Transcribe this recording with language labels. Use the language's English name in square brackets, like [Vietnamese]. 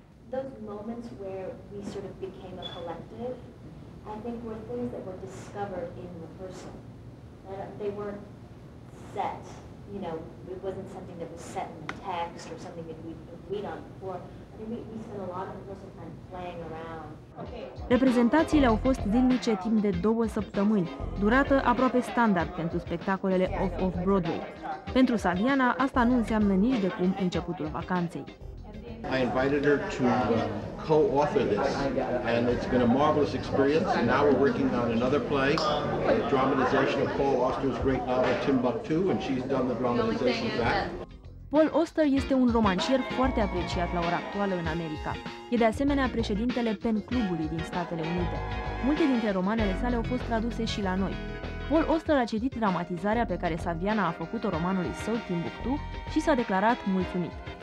[English] Those moments where we sort of became a collective, I think were things that were discovered in rehearsal. They weren't set, you know, it wasn't something that was set in the text or something that we'd agreed on before. [Romanian] Reprezentațiile au fost zilnice timp de două săptămâni, durată aproape standard pentru spectacolele off-off-Broadway. Pentru Saviana, asta nu înseamnă nici de cum începutul vacanței. [English] I invited her to co-author this, and it's been a marvelous experience. Now we're working on another play, a dramatization of Paul Auster's great novel Timbuktu, and she's done the dramatization of that. [Romanian] Paul Auster este un romancier foarte apreciat la ora actuală în America. E de asemenea președintele Pen Clubului din Statele Unite. Multe dintre romanele sale au fost traduse și la noi. Paul Auster a citit dramatizarea pe care Saviana a făcut-o romanului său Timbuktu și s-a declarat mulțumit.